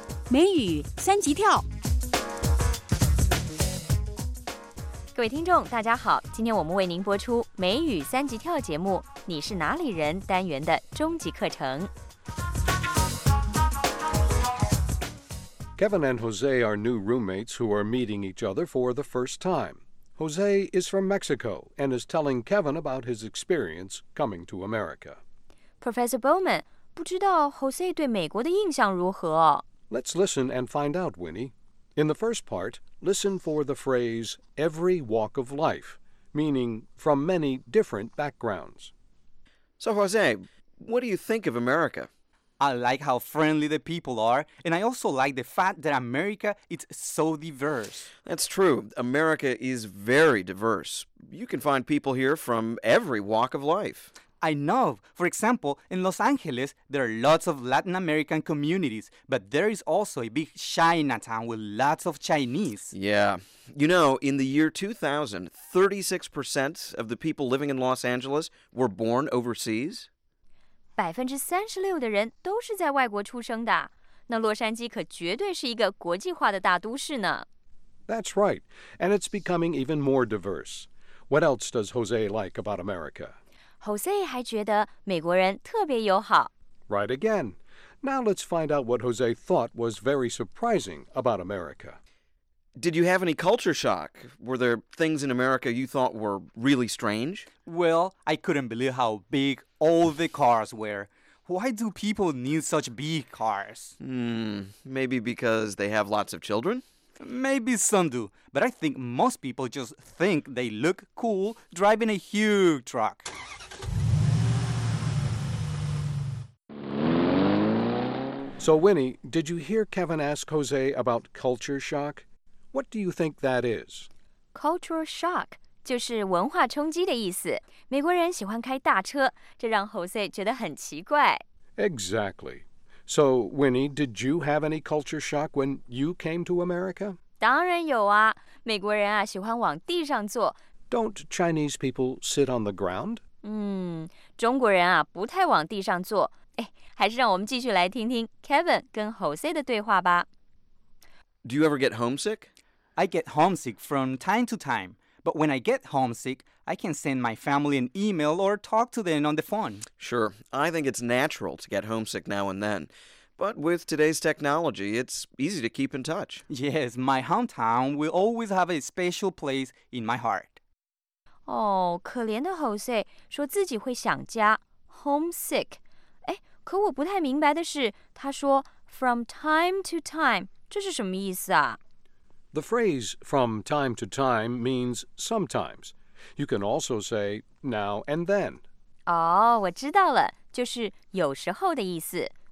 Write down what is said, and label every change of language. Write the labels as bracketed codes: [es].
[zh] 美语三级跳。各位听众大家好，今天我们为您播出美语三级跳节目你是哪里人单元的终极课程。 [en] Kevin and Jose are new roommates who are meeting each other for the first time. Jose is from Mexico and is telling Kevin about his experience coming to America. [zh] Professor Bowman, 不知道 Jose 对美国的印象如何？ [en] Let's listen and find out, Winnie. In the first part, listen for the phrase every walk of life, meaning from many different backgrounds. So Jose, what do you think of America? I like how friendly the people are, and I also like the fact that America is so diverse. That's true. America is very diverse. You can find people here from every walk of life. I know. For example, in Los Angeles, there are lots of Latin American communities, but there is also a big Chinatown with lots of Chinese. Yeah. You know, in the year 2000, 36% of the people living in Los Angeles were born overseas. [zh] 36% 的人都是在外国出生的，那洛杉矶可绝对是一个国际化的大都市呢。 [en] That's right, and it's becoming even more diverse. What else does Jose like about America? [zh] Jose 还觉得美国人特别友好。 [en] Right again. Now let's find out what Jose thought was very surprising about America. Did you have any culture shock? Were there things in America you thought were really strange? Well, I couldn't believe how big... All the cars were. Why do people need such big cars? Maybe because they have lots of children? Maybe some do, but I think most people just think they look cool driving a huge truck. So Winnie, did you hear Kevin ask Jose about culture shock? What do you think that is? [zh] Cultural shock. 就是文化冲击的意思。美国人喜欢开大车，这让 Jose 觉得很奇怪。 [en] Exactly. So, Winnie, did you have any culture shock when you came to America? [zh] 当然有啊，美国人啊喜欢往地上坐。 [en] Don't Chinese people sit on the ground? [zh] 中国人啊不太往地上坐。哎，还是让我们继续来听听 Kevin 跟 Jose 的对话吧。 [en] Do you ever get homesick? I get homesick from time to time. But when I get homesick, I can send my family an email or talk to them on the phone. Sure, I think it's natural to get homesick now and then. But with today's technology, it's easy to keep in touch. Yes, my hometown will always have a special place in my heart. [zh] Oh, 可怜的 Jose 说自己会想家 homesick. 可我不太明白的是，他说 from time to time, 这是什么意思啊? [en] The phrase from time to time means sometimes. You can also say now and then. [zh] 哦,我知道了,就是有时候的意思。